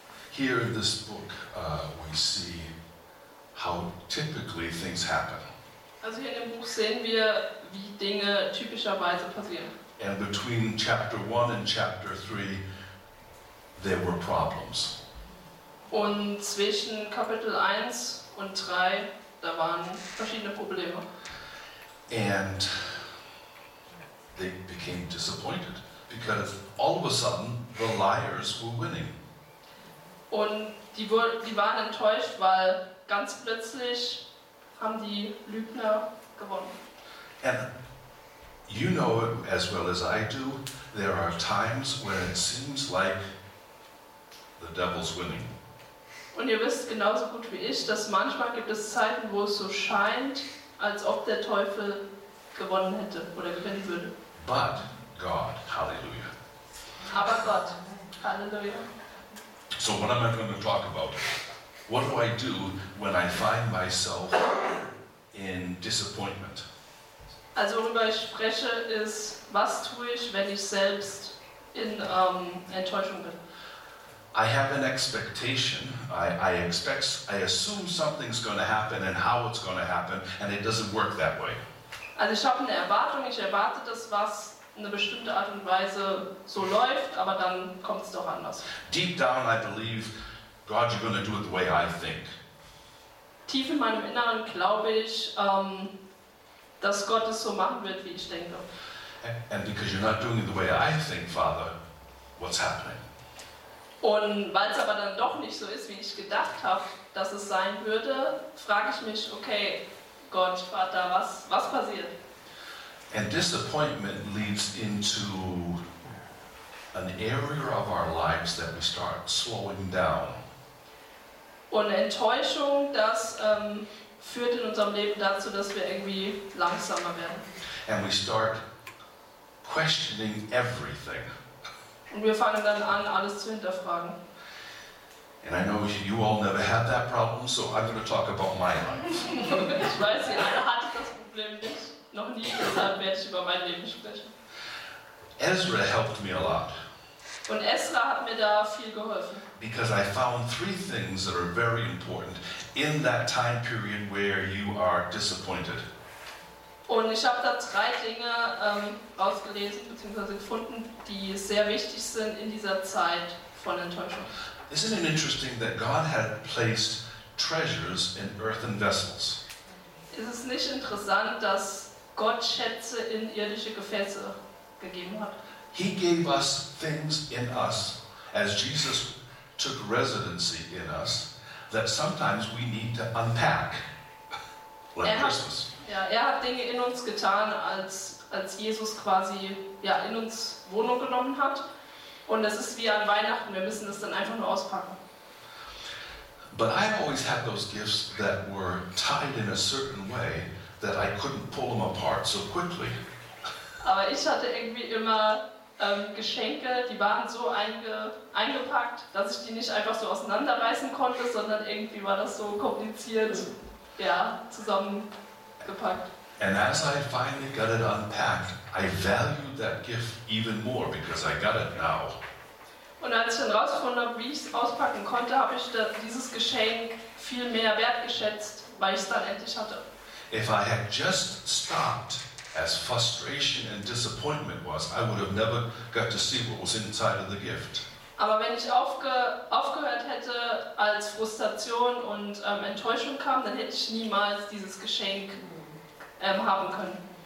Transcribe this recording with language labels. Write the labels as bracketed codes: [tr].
[en] Here in this book, we see how typically things happen. [de] Also hier in dem Buch sehen wir, wie Dinge typischerweise passieren. [en] And between chapter 1 and chapter 3, there were problems. [de] Und zwischen Kapitel 1 und 3, da waren verschiedene Probleme. [en] And they became disappointed, because all of a sudden, the liars were winning. [de] Und die waren enttäuscht, weil ganz plötzlich haben die Lügner gewonnen. [en] And you know as well as I do, there are times when it seems like the devil's winning. [de] Und ihr wisst genauso gut wie ich, dass manchmal gibt es Zeiten, wo es so scheint, als ob der Teufel gewonnen hätte oder gewinnen würde. [en] But God, hallelujah. [de] Aber Gott, hallelujah. [en] So what am I going to talk about? What do I do when I find myself in disappointment? [de] Also worüber ich spreche ist, was tue ich, wenn ich selbst in Enttäuschung bin? [en] I have an expectation. I assume something's going to happen and how it's going to happen, and it doesn't work that way. [de] Also ich habe eine Erwartung. Ich erwarte, dass was in eine bestimmte Art und Weise so läuft, aber dann kommt es doch anders. [en] Deep down I believe, God, you're going to do it the way I think. [de] Tief in meinem Inneren glaube ich, dass Gott es so machen wird, wie ich denke. [en] And because you're not doing it the way I think, Father, what's happening? [de] Und weil es aber dann doch nicht so ist, wie ich gedacht habe, dass es sein würde, frage ich mich, okay, Gott, Vater, was passiert? [en] And disappointment leads into an area of our lives that we start slowing down. [de] Und Enttäuschung, das führt in unserem Leben dazu, dass wir irgendwie langsamer werden. [en] And we start questioning everything. [de] Und wir fangen dann an, alles zu hinterfragen. [en] And I know you all never had that problem, so I'm going to talk about my life. [de] Ich weiß, ihr alle hattet das Problem nicht. Noch nie, deshalb werde ich über mein Leben sprechen. [en] Ezra helped me a lot. [de] Und Ezra hat mir da viel geholfen. [en] Because I found three things that are very important in that time period where you are disappointed. [de] Und ich habe da drei Dinge ausgelesen bzw. gefunden, die sehr wichtig sind in dieser Zeit von Enttäuschung. [en] Isn't it interesting that God had placed treasures in earthen vessels? [de] Ist es nicht interessant, dass Gott Schätze in irdische Gefäße gegeben hat? [en] He gave us things in us, as Jesus took residency in us, that sometimes we need to unpack, like Christmas. [de] Ja, er hat Dinge in uns getan, als Jesus quasi ja, in uns Wohnung genommen hat. Und das ist wie an Weihnachten, wir müssen es dann einfach nur auspacken. [en] But I always had those gifts that were tied in a certain way that I couldn't pull them apart so quickly. [de] Aber ich hatte irgendwie immer Geschenke, die waren so eingepackt, dass ich die nicht einfach so auseinanderreißen konnte, sondern irgendwie war das so kompliziert, ja, zusammengepackt. [en] And as I finally got it unpacked, I valued that gift even more because I got it now. [de] Und als ich dann rausgefunden habe, wie ich es auspacken konnte, habe ich dieses Geschenk viel mehr wertgeschätzt, weil ich es dann endlich hatte. [en] If I had just stopped, as frustration and disappointment was, I would have never got to see what was inside of the gift. [de] Aber wenn ich aufgehört hätte, als Frustration und Enttäuschung kam, dann hätte ich niemals dieses Geschenk haben können.